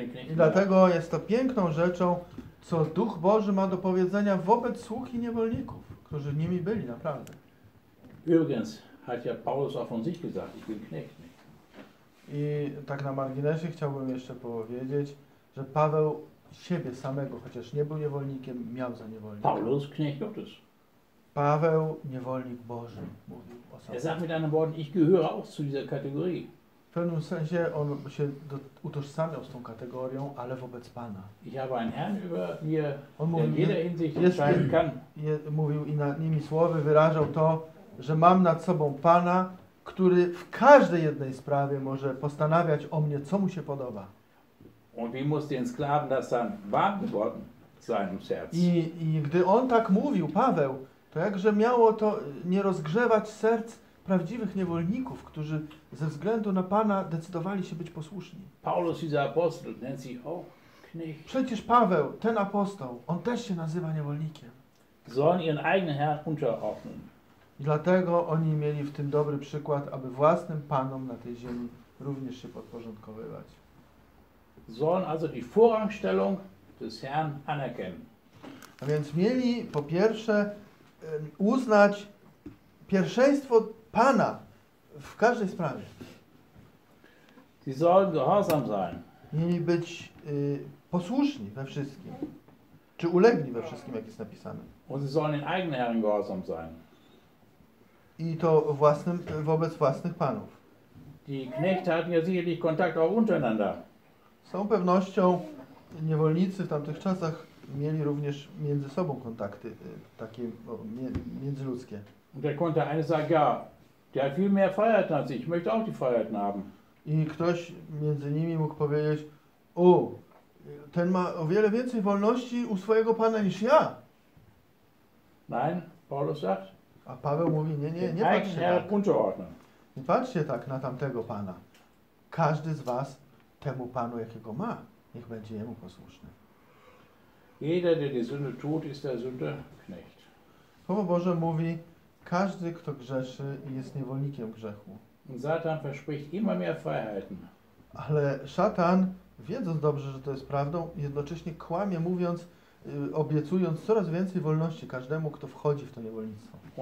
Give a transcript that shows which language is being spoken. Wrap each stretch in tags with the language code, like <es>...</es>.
<pl>I dlatego jest to piękną rzeczą, co Duch Boży ma do powiedzenia wobec sług i niewolników, którzy nimi byli naprawdę.</pl> <de>Übrigens hat ja Paulus auch von sich gesagt, ich bin Knecht.</de> <pl>I tak na marginesie chciałbym jeszcze powiedzieć, że Paweł siebie samego, chociaż nie był niewolnikiem, miał za niewolnika.</pl> <de>Paulus Knecht Gottes.</de> <pl>Paweł, niewolnik Boży, mówił o sobie.</pl> <de>Er sagt mit anderen Worten, ich gehöre auch zu dieser Kategorie.</de> <pl>W pewnym sensie on się utożsamiał z tą kategorią, ale wobec Pana.</pl> <de>Ich habe einen Herrn über mir,</de> <pl>on mówi,</pl> <de>der in jeder Hinsicht entscheiden kann.</de> <pl>Mówił innymi słowy, wyrażał to, że mam nad sobą Pana, który w każdej jednej sprawie może postanawiać o mnie, co mu się podoba.</pl> <de>Und wie muss den Sklaven das dann warten worden? seinem Herz.</de> <pl>I gdy on tak mówił, Paweł, to jakże miało to nie rozgrzewać serc prawdziwych niewolników, którzy ze względu na Pana decydowali się być posłuszni.</pl> <de>Paulus, dieser Apostel, nennt sich auch Knecht.</de> <pl>Przecież Paweł, ten apostoł, on też się nazywa niewolnikiem.</pl> <de>Sollen ihren eigenen Herrn unterordnen.</de> <pl>I dlatego oni mieli w tym dobry przykład, aby własnym panom na tej ziemi również się podporządkowywać.</pl> <de>Sollen also die Vorrangstellung des Herrn anerkennen.</de> <pl>A więc mieli po pierwsze uznać pierwszeństwo Pana w każdej sprawie.</pl> <de>Sie sollen gehorsam sein.</de> <pl>Mieli być posłuszni we wszystkim. Czy ulegli we wszystkim, jak jest napisane.</pl> <de>Und sie sollen den eigenen Herrn gehorsam sein.</de> <pl>I to własnym, wobec własnych panów.</pl> <de>Die Knechte hatten ja sicherlich Kontakt auch untereinander.</de> <pl>Z całą pewnością niewolnicy w tamtych czasach mieli również między sobą kontakty takie międzyludzkie.</pl> <de>Und der konnte eine sagen, ja, der hat viel mehr Freiheiten als ich, möchte auch die Freiheiten haben.</de> <pl>I ktoś między nimi mógł powiedzieć, o, ten ma o wiele więcej wolności u swojego pana niż ja.</pl> <de>Nein, Paulus sagt.</de> <pl>A Paweł mówi, nie patrzcie tak. Nie patrzcie tak na tamtego pana. Każdy z was temu panu, jakiego ma, niech będzie jemu posłuszny.</pl> <de>Jeder, der die Sünde tut, ist der Sünde Knecht.</de> <pl>Słowo Boże mówi, każdy, kto grzeszy, jest niewolnikiem grzechu.</pl> <de>Satan verspricht immer mehr Freiheiten.</de> <pl>Ale szatan, wiedząc dobrze, że to jest prawdą, jednocześnie kłamie, mówiąc, obiecując coraz więcej wolności każdemu, kto wchodzi w to niewolnictwo.</pl>